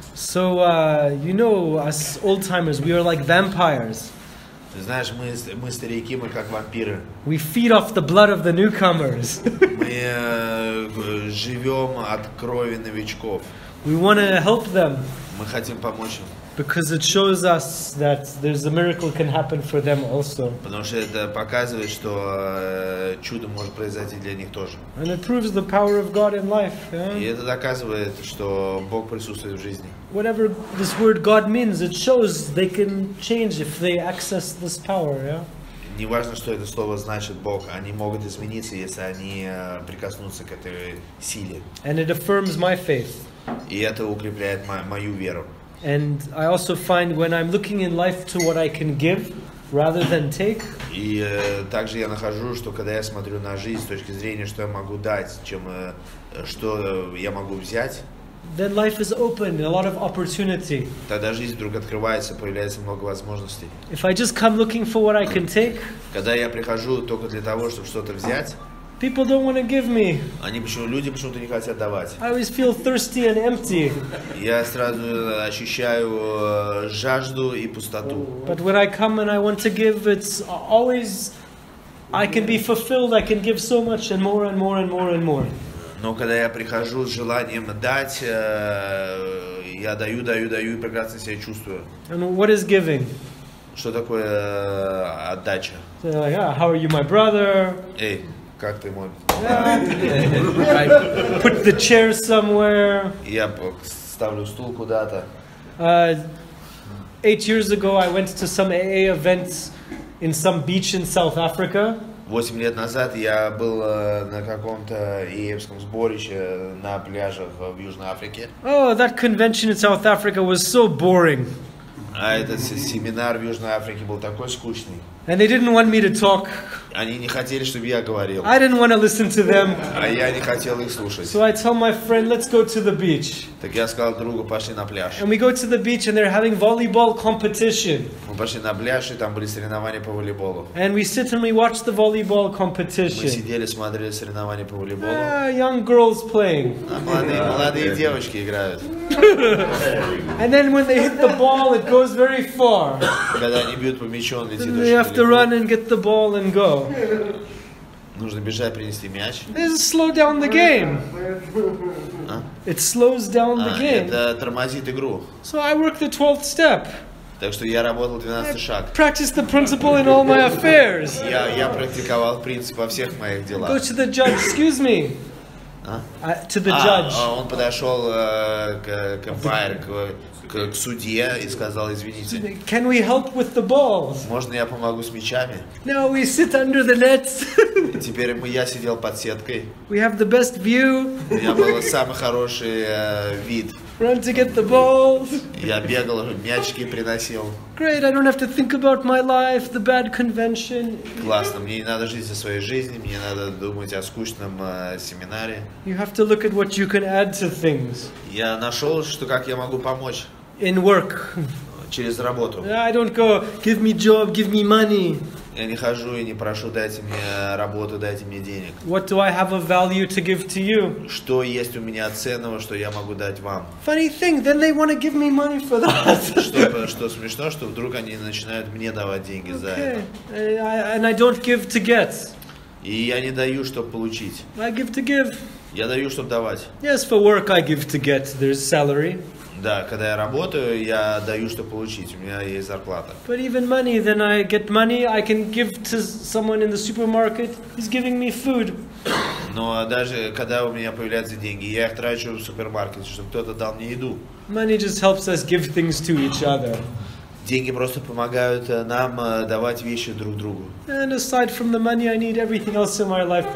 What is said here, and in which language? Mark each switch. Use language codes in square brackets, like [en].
[en] So, you know, us old-timers, we are like vampires. [ru] Знаешь, мы старики, мы как вампиры. [en] We feed off the blood of the newcomers. [ru] Мы живем от крови новичков. [en] We want to help them. [ru] Мы хотим помочь им. [en] Because it shows us that there's a miracle can happen for them also. [ru] Потому что это показывает, что чудо может произойти для них тоже. [en] And it proves the power of God in life. [ru] И это доказывает, что Бог присутствует в жизни. [en] Whatever this word God means, it shows they can change if they access this power. Yeah. [ru] Не важно, что это слово значит Бог, они могут измениться, если они прикоснутся к этой силе. [en] And it affirms my faith. [ru] И это укрепляет мою веру. [en] And I also find when I'm looking in life to what I can give rather than take. [ru] И также я нахожу, что когда я смотрю на жизнь с точки зрения, что я могу дать, чем что я могу взять. [en] Then life is open, a lot of opportunity. [ru] Тогда жизнь вдруг открывается, появляется много возможностей. [en] If I just come looking for what I can take. [ru] Когда я прихожу только для того, чтобы что-то взять. [en] People don't want to give me. [ru] Они почему люди почему-то не хотят давать. [en] I always feel thirsty and empty. [ru] Я сразу ощущаю жажду и пустоту. [en] But when I come and I want to give, it's always I can be fulfilled. I can give so much and more and more and more and more. [ru] Но когда я прихожу с желанием дать, я даю, даю, даю и прекрасно себя чувствую. [en] And what is giving? [ru] Что такое отдача? [en] So like, how are you, my brother? [ru] Эй. Как ты мой? [en] I put the chair somewhere. [ru] Я ставлю стул куда-то. [en] 8 years ago, I went to some AA events in some beach in South Africa. [ru] 8 лет назад я был на каком-то AA-вском сборище на пляжах в Южной Африке. [en] Oh, that convention in South Africa was so boring. [ru] А этот семинар в Южной Африке был такой скучный. [en] And they didn't want me to talk. [ru] Они не хотели, чтобы я говорил. [en] I didn't want to listen to them. [ru] А я не хотел их слушать. [en] So I tell my friend, let's go to the beach. [ru] Так я сказал другу, пошли на пляж. [en] And we go to the beach and they're having volleyball competition. [ru] Мы пошли на пляж, и там были соревнования по волейболу. [en] And we sit and we watch the volleyball competition. [ru] Мы сидели, смотрели соревнования по волейболу. [en] Young girls playing. [ru] Молодые девочки играют. [en] And then when they hit the ball, it goes very far. [ru] Когда они бьют по мячу, он летит очень далеко. [en] To run and get the ball and go. [ru] Нужно бежать, принести мяч. [en] This is slow down the game. It slows down the game. [ru] Это тормозит игру. [en] So I work the 12th step. [ru] Так что я работал 12 шаг. [en] Practice the principle in all my affairs. [ru] Я практиковал принцип во всех моих делах. [en] Go to the judge. Excuse me. To the judge. [ru] Он подошел к эмпайру. К судье и сказал, извините. [en] Can we help with the balls? [ru] Можно я помогу с мячами? [en] No, we sit under the nets. [ru] Теперь я сидел под сеткой. [en] We have the best view. [ru] У меня был самый хороший вид. [en] Run to get the balls. [ru] Я бегал, мячики приносил. [en] Great, I don't have to think about my life, the bad convention. [ru] Классно, мне не надо жить о своей жизни, мне не надо думать о скучном семинаре. [en] You have to look at what you can add to things. [ru] Я нашел, что как я могу помочь. [en] In work. [ru] Через работу. [en] I don't go, give me job, give me money. [ru] Я не хожу и не прошу, дайте мне работу, дайте мне денег. [en] What do I have of value to give to you? [ru] Что есть у меня ценного, что я могу дать вам? [en] Funny thing, then they want to give me money for that. [ru] Что смешно, что вдруг они начинают мне давать деньги за это. [en] And I don't give to get. [ru] И я не даю, чтобы получить. [en] I give to give. [ru] Я даю, чтобы давать. [en] Yes, for work I give to get. There's salary. [ru] Да, когда я работаю, я даю, что получить. У меня есть зарплата. [en] But even money, then I get money, I can give to someone in the supermarket. He's giving me food. [ru] Но даже когда у меня появляются деньги, я их трачу в супермаркете, чтобы кто-то дал мне еду. [en] Money just helps us give things to each other. [ru] Деньги просто помогают нам давать вещи друг другу. [en] And aside from the money, I need everything else in my life.